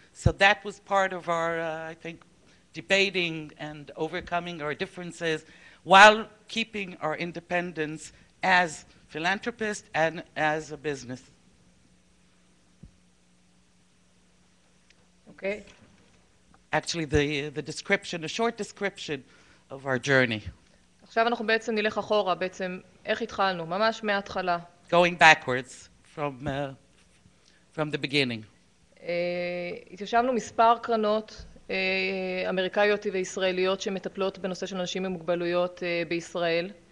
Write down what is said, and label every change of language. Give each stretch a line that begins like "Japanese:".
English: So that was part of our, I think, debating and overcoming our differences while keeping our independence as philanthropists and as a business. Okay. Actually, the description, a short description of our journey.
Hebrew: עכשיו אנחנו בעצם נלך אחורה, בעצם איך התחלנו, ממש מההתחלה.
English: Going backwards from the beginning.
Hebrew: התיישבנו מספר קרנות אמריקאיות וישראליות שמטפלות בנושא של אנשים עם מוגבלויות בישראל.